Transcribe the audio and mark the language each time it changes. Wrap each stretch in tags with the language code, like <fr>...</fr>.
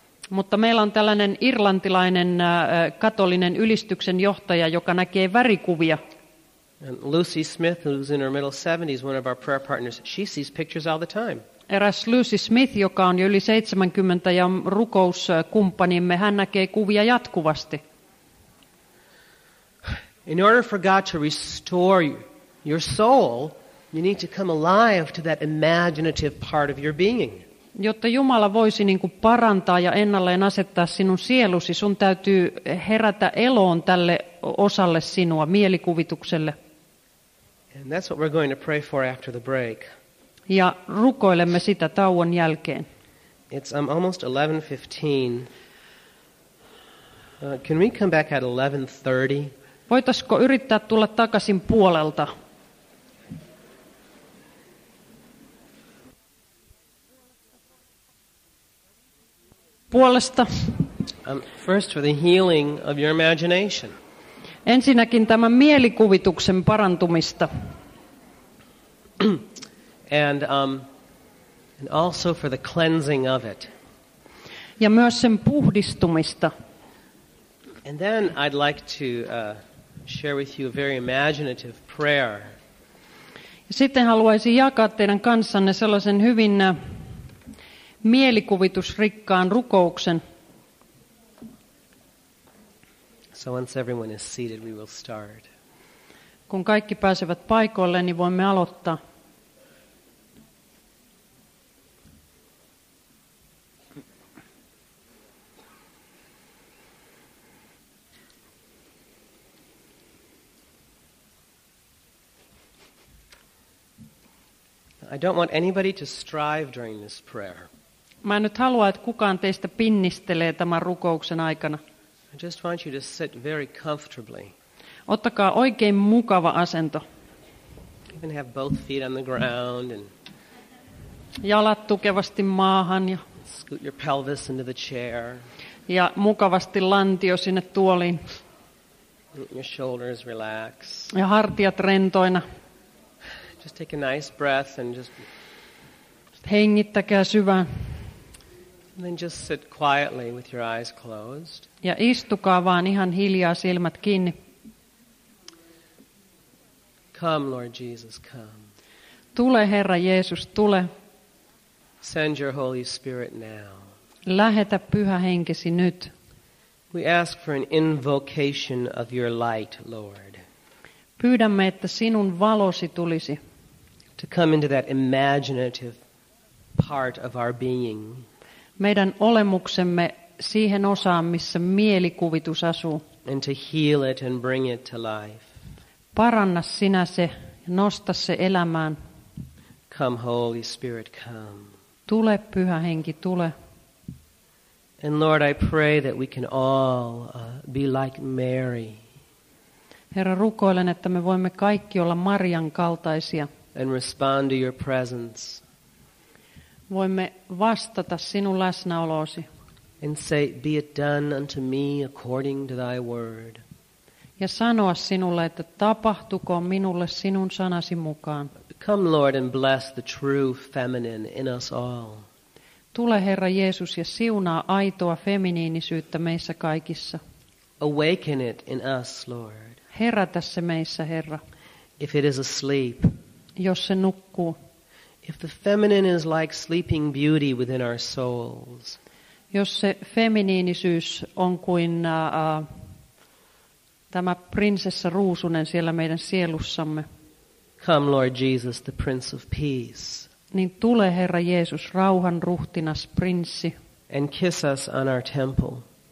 <fi>Mutta meillä on tällainen irlantilainen katolinen ylistyksen johtaja, joka näkee värikuvia.</fi> <en>And Lucy Smith, who's in her middle 70s, one of our prayer partners, she sees pictures all the time.</en> <fi>Eräs Lucy Smith, joka on jo yli 70 ja rukouskumppanimme, hän näkee kuvia jatkuvasti.</fi> <en>In order for God to restore your soul, you need to come alive to that imaginative part of your being.</en> <fi>Jotta Jumala voisi niin kuin parantaa ja ennalleen asettaa sinun sielusi, sun täytyy herätä eloon tälle osalle sinua, mielikuvitukselle.</fi> <en>And that's what we're going to pray for after the break.</en> <fi>Ja rukoilemme sitä tauon jälkeen.</fi> <en>It's almost 11:15. Can we come back at 11:30?</en> <fi>Voitaisiko yrittää tulla takaisin 1:30? Puolesta.</fi> <en>First for the healing of your imagination.</en> <fi>Ensinnäkin tämän mielikuvituksen parantumista.</fi> <en>And also for the cleansing of it.</en> <fi>Ja myös sen puhdistumista.</fi> <en>And then I'd like to share with you a very imaginative prayer.</en> <fi>Sitten haluaisin jakaa teidän kanssanne sellaisen hyvin mielikuvitusrikkaan rukouksen.</fi> <en>So once everyone is seated, we will start.</en> <fi>Kun kaikki pääsevät paikoille, niin voimme aloittaa.</fi> <en>I don't want anybody to strive during this prayer.</en> <fi>Mä en nyt halua, että kukaan teistä pinnistelee tämän rukouksen aikana.</fi> <en>I just want you to sit very comfortably.</en> <fi>Ottakaa oikein mukava asento.</fi> <en>You can have both feet on the ground and</en> <fi>jalat tukevasti maahan ja</fi> <en>scoot your pelvis into the chair.</en> <fi>Ja mukavasti lantio sinne tuoliin.</fi> <en>Your shoulders relax.</en> <fi>Ja hartiat rentoina.</fi> <en>Just take a nice breath and just</en> <fi>hengittäkää syvään.</fi> <en>And then just sit quietly with your eyes closed.</en> <fi>Ja istukaa vaan ihan hiljaa silmät kiinni.</fi> <en>Come, Lord Jesus, come.</en> <fi>Tule, Herra Jeesus, tule.</fi> <en>Send your Holy Spirit now.</en> <fi>Lähetä Pyhä Henkesi nyt.</fi> <en>We ask for an invocation of your light, Lord.</en> <fi>Pyydämme, että sinun valosi tulisi.</fi> <en>To come into that imaginative part of our being.</en> <fi>Meidän olemuksemme siihen osaan, missä mielikuvitus asuu.</fi> <en>And to heal it and bring it to life.</en> <fi>Paranna sinä se, nosta se elämään.</fi> <en>Come, Holy Spirit, come.</en> <fi>Tule, Pyhä Henki, tule.</fi> <en>And Lord, I pray that we can all be like Mary.</en> <fi>Herra, rukoilen, että me voimme kaikki olla Marian kaltaisia.</fi> <en>And respond to your presence.</en> <fi>Voimme vastata sinun läsnäoloosi.</fi> <en>And say, be it done unto me according to thy word.</en> <fi>Ja sanoa sinulle, että tapahtukoon minulle sinun sanasi mukaan.</fi> <en>Come, Lord, and bless the true feminine in us all.</en> <fi>Tule, Herra Jeesus, ja siunaa aitoa feminiinisyyttä meissä kaikissa.</fi> <en>Awaken it in us, Lord.</en> <fi>Herätä se meissä, Herra.</fi> <en>If it is asleep.</en> <fi>Jos se nukkuu.</fi> <en>If the feminine is like sleeping beauty within our souls.</en> <fi>Jos se feminiinisyys on kuin tämä prinsessa ruusunen siellä meidän sielussamme.</fi> <en>Come, Lord Jesus, the Prince of Peace.</en> <fi>Niin tule, Herra Jeesus, rauhan ruhtinas prinssi.</fi> <en>And kiss us on our temple.</en>